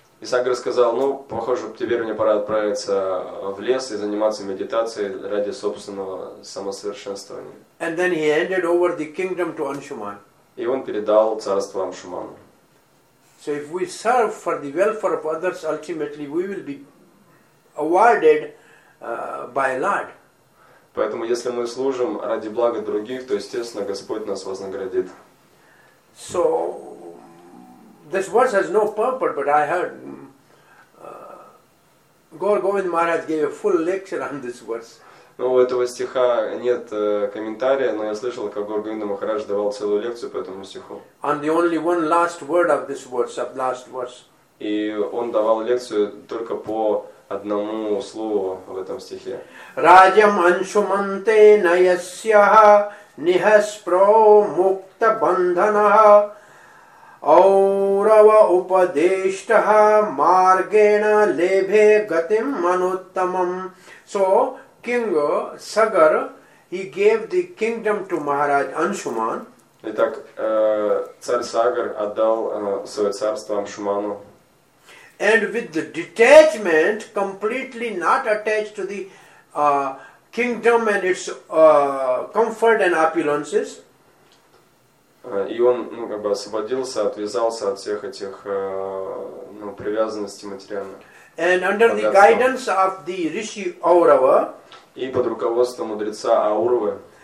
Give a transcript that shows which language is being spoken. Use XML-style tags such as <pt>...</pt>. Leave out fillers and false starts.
<ru>И Сагар сказал, похоже, теперь мне пора отправиться в лес и заниматься медитацией ради собственного самосовершенствования.</ru> <en>And then he handed over the kingdom to Anshuman.</en> <ru>И он передал царство Амшуману.</ru> <en>So if we serve for the welfare of others, ultimately we will be awarded by Lord.</en> <ru>Поэтому если мы служим ради блага других, то естественно Господь нас вознаградит.</ru> <en>So this verse has no purpose, but I heard Gaur Govind Maharaj gave a full lecture on this verse.</en> <ru>У этого стиха нет комментария, но я слышал, как Гаур Говинда Махарадж давал целую лекцию по этому стиху.</ru> <en>On the only one last word of this verse, of last verse.</en> <ru>И он давал лекцию только по одному слову в этом стихе.</ru> <sa>Раджам аншуманте наясьяха нихаспро мукта бандханаха аурава упадештаха маргена лебе гатим мануттамам.</sa> <en>So, King Sagar, he gave the kingdom to Maharaj Anshuman.</en> <ru>Итак, царь Сагар отдал свое царство Амшуману.</ru> <en>And with the detachment, completely not attached to the kingdom and its comfort and opulences.</en> <ru>И он как бы освободился, отвязался от всех этих привязанностей материальных.</ru> <en>And under the guidance of the Rishi Aurava,</en> <ru>и под руководством мудреца Аурвы.</ru>